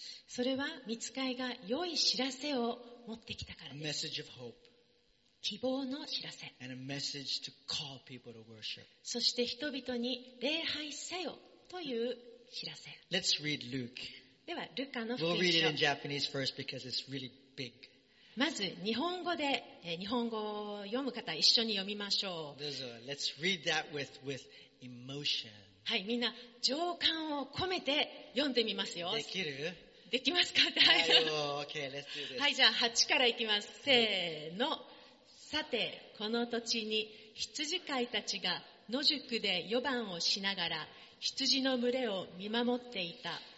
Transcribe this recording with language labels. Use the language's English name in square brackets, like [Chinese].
[Japanese] それは、御使いが良い知らせを持ってきたからです。 [English] A message of hope. [Japanese] 希望の知らせ。 [English] And a message to call people to worship. [Japanese] そして人々に礼拝せよという知らせ。 [English] Let's read Luke. [Japanese] ではルカの福音 [English] 書。We'll read it in Japanese first because it's really big. [Japanese] まず日本語で、日本語を読む方一緒に読みましょう。どうぞ。 [English] Let's read that with emotion. [Japanese] はい、みんな情感を込めて読んでみますよ。できる？できますか？ [English] はい。Okay, let's do this. [Japanese] はい、じゃあ8からいきます。せーの。さて、この土地に羊飼いたちが野宿で夜番をしながら羊の群れを見守っていた。